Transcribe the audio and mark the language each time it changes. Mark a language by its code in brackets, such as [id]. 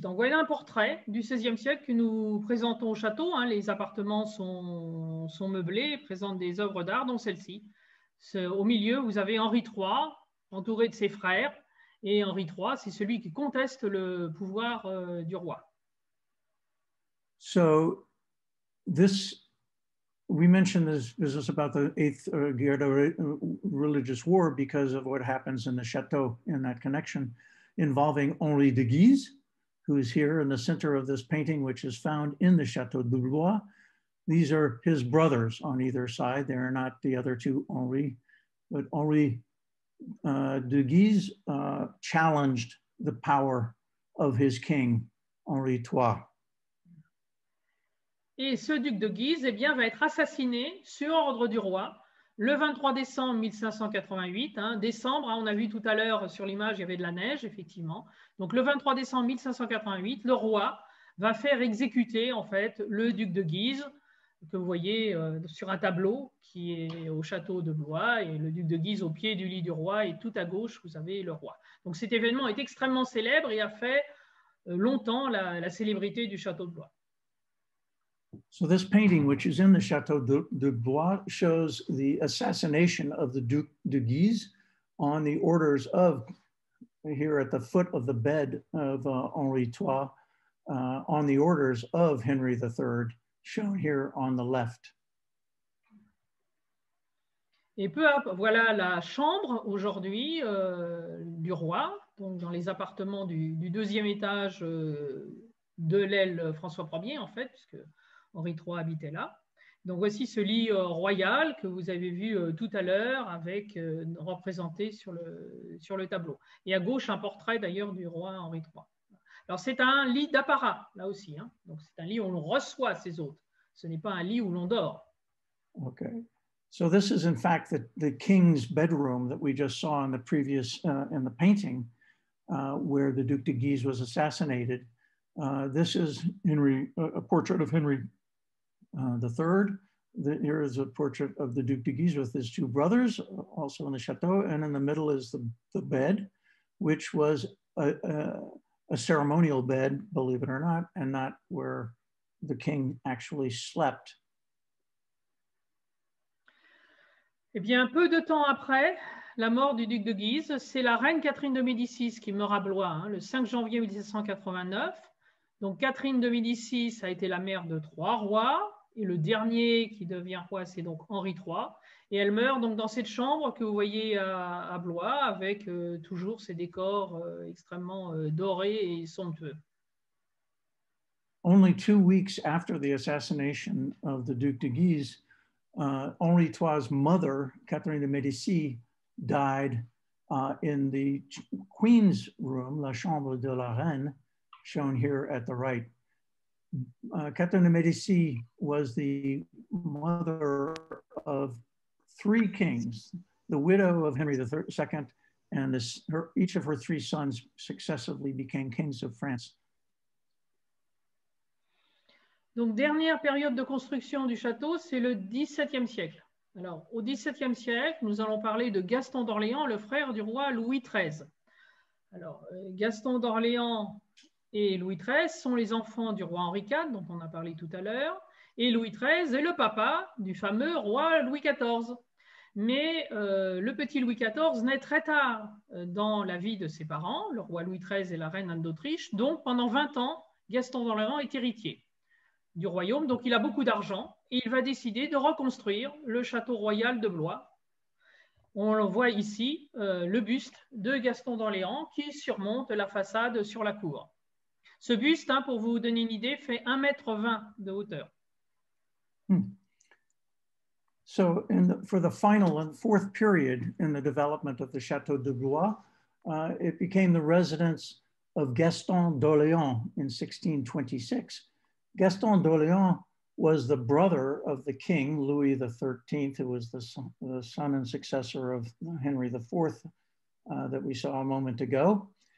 [fr] Donc, voilà un portrait du XVIe siècle que nous présentons au château. Hein. Les appartements sont meublés, présentent des œuvres d'art, dont celle-ci. Au milieu, vous avez Henri III, entouré de ses frères. Et Henri III, c'est celui qui conteste le pouvoir du roi. [en] So, this, we mentioned this business about the Eighth Guerre de Religious War because of what happens in the château in that connection involving Henri de Guise, who is here in the center of this painting, which is found in the Château de Blois. These are his brothers on either side. They are not the other two Henri, but Henri de Guise challenged the power of his king, Henri III. [fr] Et ce duc de Guise, eh bien, va être assassiné sur ordre du roi le 23 décembre 1588. Hein, décembre, hein, on a vu tout à l'heure sur l'image, il y avait de la neige, effectivement. Donc le 23 décembre 1588, le roi va faire exécuter, en fait, le duc de Guise, que vous voyez sur un tableau qui est au château de Blois, et le duc de Guise au pied du lit du roi, et tout à gauche, vous avez le roi. Donc cet événement est extrêmement célèbre et a fait longtemps la célébrité du château de Blois. [en] So this painting, which is in the château de Blois, shows the assassination of the duc de Guise on the orders of, here at the foot of the bed of Henri III, on the orders of Henry III, shown here on the left. [fr] Et peu à peu, voilà la chambre aujourd'hui du roi, donc dans les appartements du deuxième étage de l'aile François Ier, en fait, puisque Henri III habitait là. Donc voici ce lit royal que vous avez vu tout à l'heure, avec représenté sur le tableau. Et à gauche, un portrait d'ailleurs du roi Henri III. Alors c'est un lit d'apparat, là aussi. Hein. Donc c'est un lit où l'on reçoit ses hôtes. Ce n'est pas un lit où l'on dort. [en] Okay. So this is in fact the king's bedroom that we just saw in the previous, in the painting, where the Duc de Guise was assassinated. This is Henry, a portrait of Henry III. Here is a portrait of the Duc de Guise with his two brothers, also in the chateau. And in the middle is the bed, which was a ceremonial bed, believe it or not, and not where the king actually slept. [fr] Eh bien, peu de temps après la mort du duc de Guise, c'est la reine Catherine de Médicis qui meurt à Blois, hein, le 5 janvier 1789. Donc, Catherine de Médicis a été la mère de trois rois, et le dernier qui devient roi, c'est donc Henri III. Et elle meurt donc dans cette chambre que vous voyez à Blois, avec toujours ces décors extrêmement dorés et somptueux. [en] Only 2 weeks after the assassination of the Duc de Guise, Henri III's mother, Catherine de Médicis, died in the queen's room, [fr] la chambre de la reine, [en] shown here at the right. Catherine de Médicis was the mother of three kings, the widow of Henry II, and each of her three sons successively became kings of France. [fr] Donc, dernière période de construction du château, c'est le XVIIe siècle. Alors, au XVIIe siècle, nous allons parler de Gaston d'Orléans, le frère du roi Louis XIII. Alors, Gaston d'Orléans et Louis XIII sont les enfants du roi Henri IV, dont on a parlé tout à l'heure, et Louis XIII est le papa du fameux roi Louis XIV. Mais le petit Louis XIV naît très tard dans la vie de ses parents, le roi Louis XIII et la reine Anne d'Autriche, donc pendant 20 ans, Gaston d'Orléans est héritier du royaume, donc il a beaucoup d'argent, et il va décider de reconstruire le château royal de Blois. On le voit ici, le buste de Gaston d'Orléans qui surmonte la façade sur la cour. Ce buste, hein, pour vous donner une idée, fait 1,20 m de hauteur. [en] So, for the final and fourth period in the development of the château de Blois, it became the residence of Gaston d'Orléans in 1626. Gaston d'Orléans was the brother of the king, Louis XIII, who was the son and successor of Henry IV that we saw a moment ago.